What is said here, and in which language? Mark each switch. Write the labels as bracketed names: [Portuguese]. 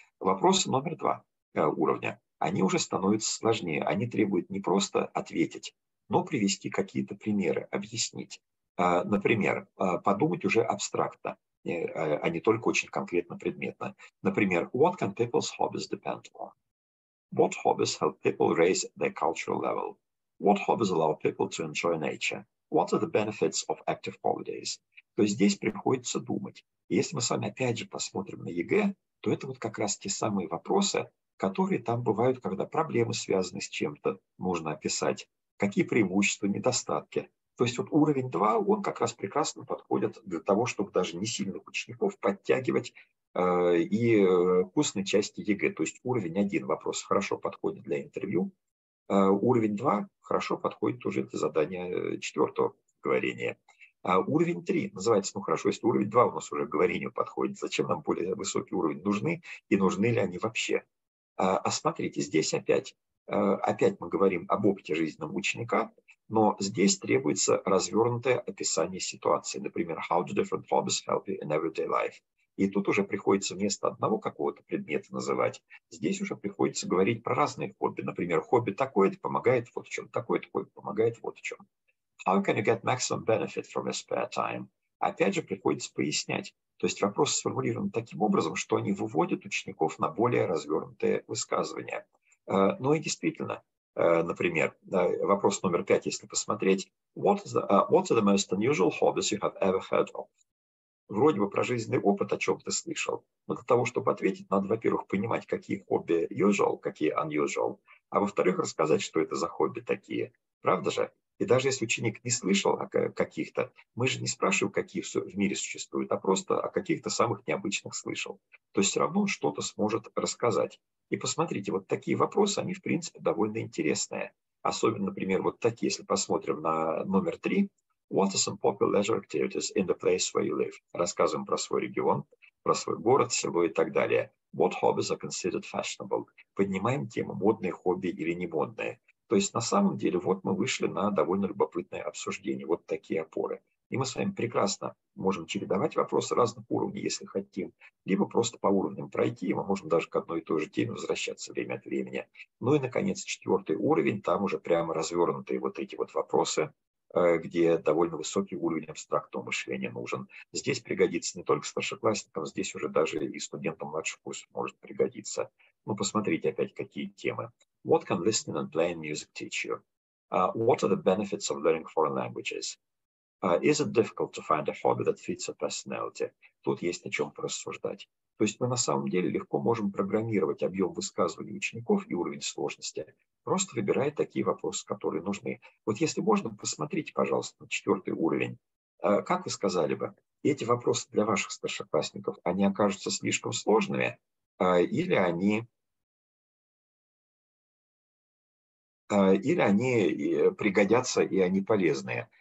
[Russian] Вопросы номер два уровня. Они уже становятся сложнее. Они требуют не просто ответить, но привести какие-то примеры, объяснить. Например, подумать уже абстрактно, а не только очень конкретно предметно. Например, [English] what can people's hobbies depend on? What hobbies help people raise their cultural level? What hobbies allow people to enjoy nature? What are the benefits of active holidays? [Russian] То есть здесь приходится думать. Если мы с вами опять же посмотрим на ЕГЭ, то это вот как раз те самые вопросы, которые там бывают, когда проблемы связаны с чем-то, нужно описать. Какие преимущества, недостатки? То есть вот уровень 2, он как раз прекрасно подходит для того, чтобы даже не сильных учеников подтягивать и к устной части ЕГЭ. То есть уровень 1 вопрос хорошо подходит для интервью. Уровень 2 хорошо подходит уже для задания 4-го говорения. Уровень 3 называется, ну хорошо, если уровень 2 у нас уже к говорению подходит, зачем нам более высокий уровень нужны и нужны ли они вообще? А смотрите, здесь опять мы говорим об опыте жизненном ученика, но здесь требуется развернутое описание ситуации. Например, [English] how do different hobbies help you in everyday life? [Russian] И тут уже приходится вместо одного какого-то предмета называть, здесь уже приходится говорить про разные хобби. Например, хобби такое-то помогает вот в чем, такое-то хобби помогает вот в чем. [English] How can you get maximum benefit from your spare time? [Russian] Опять же, приходится пояснять. То есть вопрос сформулирован таким образом, что они выводят учеников на более развернутые высказывания. Ну и действительно, например, вопрос номер 5, если посмотреть. [English] What are the most unusual hobbies you have ever heard of? [Russian] Вроде бы про жизненный опыт, о чем ты слышал. Но для того, чтобы ответить, надо, во-первых, понимать, какие хобби usual, какие unusual. А во-вторых, рассказать, что это за хобби такие. Правда же? И даже если ученик не слышал о каких-то, мы же не спрашиваем, какие в мире существуют, а просто о каких-то самых необычных слышал. То есть все равно он что-то сможет рассказать. И посмотрите, вот такие вопросы, они, в принципе, довольно интересные. Особенно, например, вот такие, если посмотрим на номер 3. [English] What are some popular leisure activities in the place where you live? [Russian] Рассказываем про свой регион, про свой город, село и так далее. [English] What hobbies are considered fashionable? [Russian] Поднимаем тему, модные хобби или не модные. То есть на самом деле вот мы вышли на довольно любопытное обсуждение, вот такие опоры. И мы с вами прекрасно можем чередовать вопросы разных уровней, если хотим, либо просто по уровням пройти, и мы можем даже к одной и той же теме возвращаться время от времени. Ну и, наконец, четвертый уровень, там уже прямо развернутые вот эти вот вопросы, где довольно высокий уровень абстрактного мышления нужен. Здесь пригодится не только старшеклассникам, здесь уже даже и студентам младших курсов может пригодиться. Ну, посмотрите опять, какие темы. [English] What can listening and playing music teach you? What are the benefits of learning foreign languages? Is it difficult to find a hobby that fits your personality? [Russian] Тут есть о чем порассуждать. То есть мы на самом деле легко можем программировать объем высказываний учеников и уровень сложности, просто выбирая такие вопросы, которые нужны. Вот если можно, посмотрите, пожалуйста, на четвертый уровень. Как вы сказали бы, эти вопросы для ваших старшеклассников, они окажутся слишком сложными, или они пригодятся, и они полезные.